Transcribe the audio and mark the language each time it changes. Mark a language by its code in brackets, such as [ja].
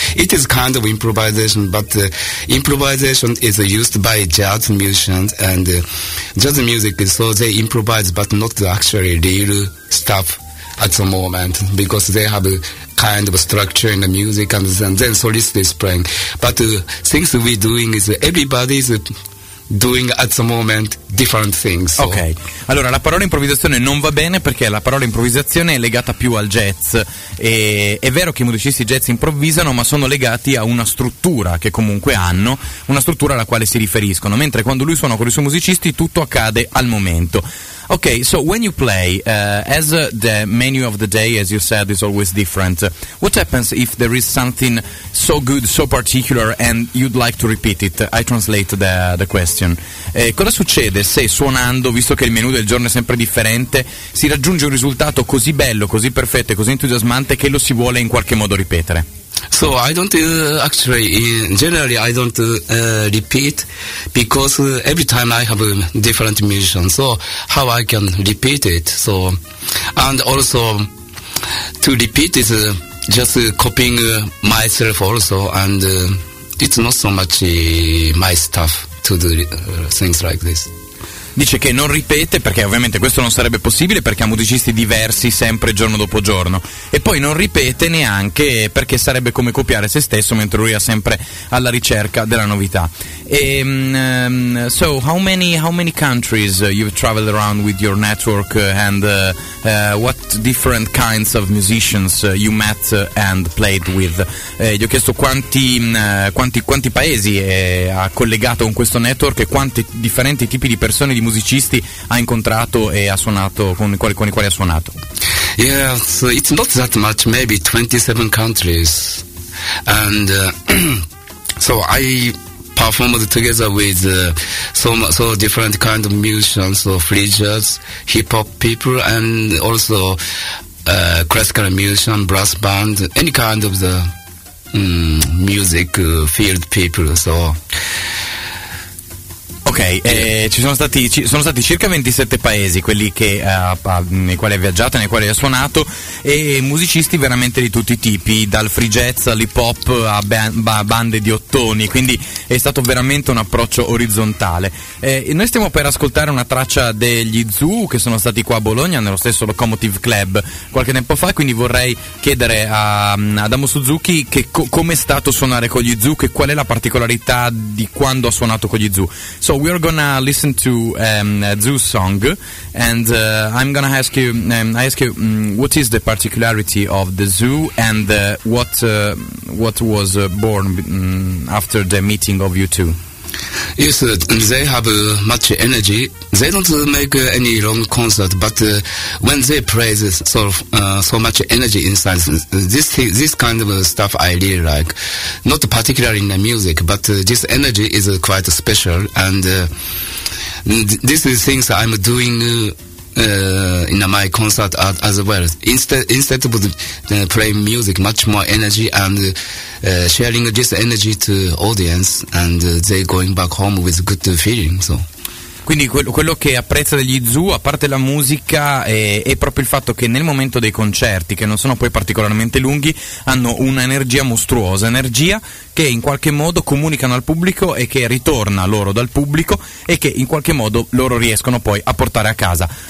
[en] It is kind of improvisation, but improvisation is used by jazz musicians, and jazz music, so they improvise, but not actually real stuff at the moment, because they have kind of a structure in the music, and then solist is playing. But things we're doing is everybody's doing at the moment different things. [it] So. Ok, allora la parola improvvisazione non va bene, perché la parola improvvisazione è legata più al jazz. E è vero che i musicisti jazz improvvisano, ma sono legati a una struttura che comunque hanno, una struttura alla quale si riferiscono, mentre quando lui suona con i suoi musicisti tutto accade al momento. [en] Ok, so when you play, as the menu of the day, as you said, is always different, what happens if there is something so good, so particular, and you'd like to repeat it? I translate the question. [it] Cosa succede se suonando, visto che il menu del giorno è sempre differente, si raggiunge un risultato così bello, così perfetto e così entusiasmante che lo si vuole in qualche modo ripetere? [en] So I don't generally I don't repeat, because every time I have a different musician, so how I can repeat it? So, and also to repeat is just copying myself also, and it's not so much my stuff to do things like this. [it] Dice che non ripete, perché ovviamente questo non sarebbe possibile perché ha musicisti diversi sempre giorno dopo giorno, e poi non ripete neanche perché sarebbe come copiare se stesso, mentre lui è sempre alla ricerca della novità. [en] E, so how many countries you've traveled around with your network, and what different kinds of musicians you met and played with? [it] Gli ho chiesto quanti paesi ha collegato con questo network e quanti differenti tipi di persone, di musicisti ha incontrato e ha suonato con i quali ha suonato. [en] Yeah, so it's not that much, maybe 27 countries, and so I performed together with so different kind of musicians, so free jazz, hip hop people, and also classical musician, brass band, any kind of the music field people. So [it] ok, ci sono stati circa 27 paesi, quelli che, nei quali ha viaggiato, nei quali ha suonato, e musicisti veramente di tutti i tipi, dal free jazz all'hip hop a bande di ottoni, quindi è stato veramente un approccio orizzontale. Noi stiamo per ascoltare una traccia degli Zoo, che sono stati qua a Bologna nello stesso Locomotive Club qualche tempo fa, quindi vorrei chiedere a Adamo Suzuki che come è stato suonare con gli Zoo, che qual è la particolarità di quando ha suonato con gli Zoo. [en] So we're gonna listen to Zoo's song, and I'm gonna ask you. I ask you, what is the particularity of the Zoo, and what was born after the meeting of you two? Yes, they have much energy. They don't make any long concert, but when they play, this sort of so much energy inside. This kind of stuff I really like. Not particularly in the music, but this energy is quite special. And this is things I'm doing in my concert as well. Instead of playing music, much more energy, and sharing this energy to audience, and they going back home with good feeling. So [it] quindi quello che apprezza degli Zoo, a parte la musica, è proprio il fatto che nel momento dei concerti, che non sono poi particolarmente lunghi, hanno un'energia mostruosa, energia che in qualche modo comunicano al pubblico e che ritorna loro dal pubblico e che in qualche modo loro riescono poi a portare a casa.